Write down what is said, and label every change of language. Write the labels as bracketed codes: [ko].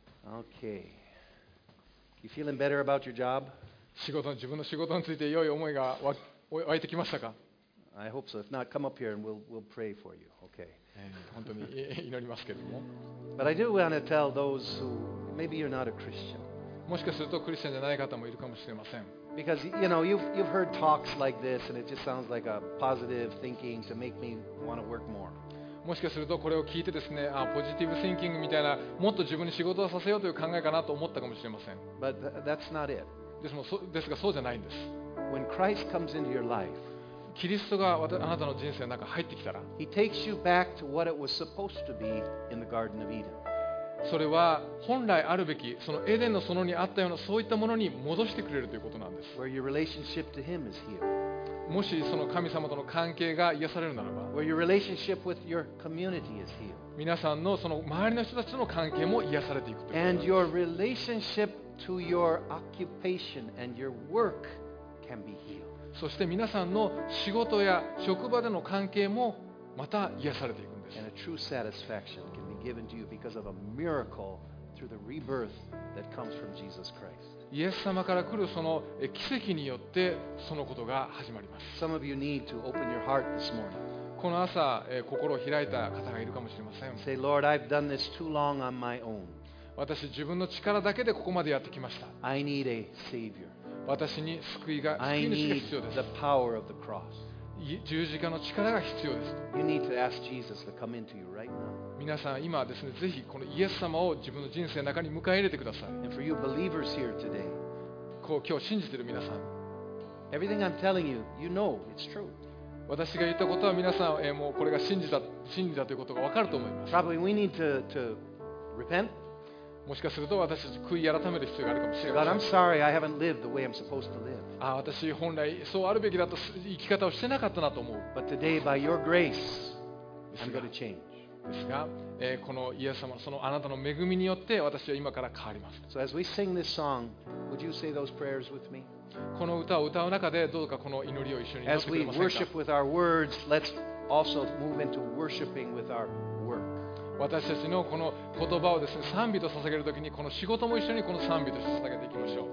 [en] Okay. You feeling better about your job? [ja] 仕事の自分の仕事について良い思いが湧いてきましたか? [en] I hope so. If not, come up here and we'll pray for you. Okay. [ja] 本当に祈りますけども。 [en] But I do want to tell those who maybe you're not a Christian. [ja] もしかするとクリスチャンじゃない方もいるかもしれません。 [en] Because you know you've heard talks like this and it just sounds like a positive thinking to make me want to work more. [ja] もしかするとこれを聞いてですね、ポジティブシンキングみたいな、もっと自分に仕事をさせようという考えかなと思ったかもしれません。 [en] But that's not it. [ja] ですがそうじゃないんです。 [en] When Christ comes into your life, [ja] キリストがあなたの人生の中に入ってきたら、 [en] He takes you back to what it was supposed to be in the Garden of Eden. [ja] それは本来あるべき、そのエデンの園にあったような、そういったものに戻してくれるということなんです。 [en] Where your relationship to Him is healed. [ja] もしその神様との関係が癒されるならば、 [en] Where your relationship with your community is healed. [ja] 皆さんのその周りの人たちとの関係も癒されていくということです。 [en] And your relationship to your occupation and your work can be healed. [ja] そして皆さんの仕事や職場での関係もまた癒されていくんです。 [en] And a true satisfaction can be given to you because of a miracle through the rebirth that comes from Jesus Christ. [ja] イエス様から来るその奇跡によってそのことが始まります。 [en] Some of you need to open your heart this morning. [ja] この朝、心を開いた方がいるかもしれません。 [en] Say, Lord, I've done this too long on my own. [ja] 私、自分の力だけでここまでやってきました。 [en] I need a savior. [ja] 私に救いが、救い主が必要です。 [en] I need the power of the cross. [ja] 十字架の力が必要です。 [en] You need to ask Jesus to come into you right now. [ja] 皆さん、今ですね、ぜひこのイエス様を自分の人生の中に迎え入れてください。 [en] And for you believers here today, [ja] こう今日信じている皆さん、 [en] Everything I'm telling you, you know it's true. [ja] 私が言ったことは皆さん、もうこれが真実だということが分かると思います。 [en] Probably we need to repent. [ja] もしかすると私たち悔い改める必要があるかもしれません。 [en] God, I'm sorry, I haven't lived the way I'm supposed to live. [ja] 私本来そうあるべきだと生き方をしてなかったなと思う。 [en] But today, by your grace, I'm going to change. [ja] ですが、このイエス様、そのあなたの恵みによって私は今から変わります。 [en] So as we sing this song, would you say those prayers with me? [ja] この歌を歌う中でどうかこの祈りを一緒に [en] As we worship with our words, let's also move into worshiping with our work. [ja] 私たちのこの言葉をですね、賛美と捧げるときにこの仕事も一緒にこの賛美と捧げていきましょう。